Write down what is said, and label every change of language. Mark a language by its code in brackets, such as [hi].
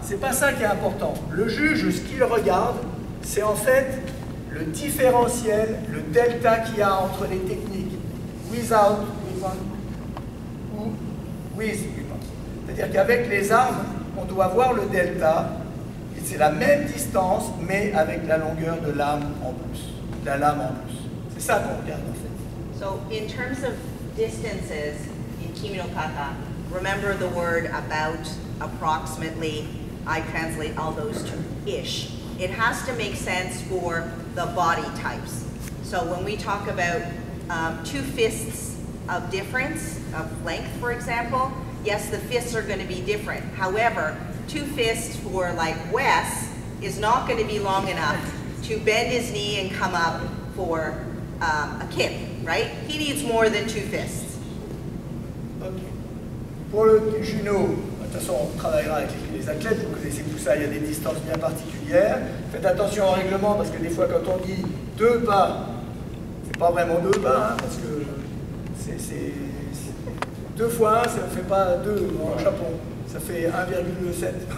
[fr] C'est pas ça qui est important. Le juge, ce qu'il regarde, c'est en fait le différentiel, le delta qu'il y a entre les techniques [en] without, weapon [fr] ou [en] with weapon. [fr] C'est-à-dire qu'avec les armes, on doit voir le delta, et c'est la même distance, mais avec la longueur de l'arme en plus. La lame en plus. C'est ça qu'on regarde en fait. [en] So, in terms of distances in kimi no kata, remember the word about, approximately, I translate all those to ish. It has to make sense for the body types. So when we talk about two fists of difference, of length, for example, yes, the fists are going to be different. However, two fists for like Wes is not going to be long enough to bend his knee and come up for a kip, right? He needs more than two fists. Okay. [fr] Pour le Juno, de toute façon, on travaillera avec les athlètes, vous connaissez tout ça, il y a des distances bien particulières. Faites attention au règlement, parce que des fois, quand on dit deux pas, c'est pas vraiment deux pas, hein, parce que c'est deux fois un, ça ne fait pas deux en Japon, ça fait 1,7.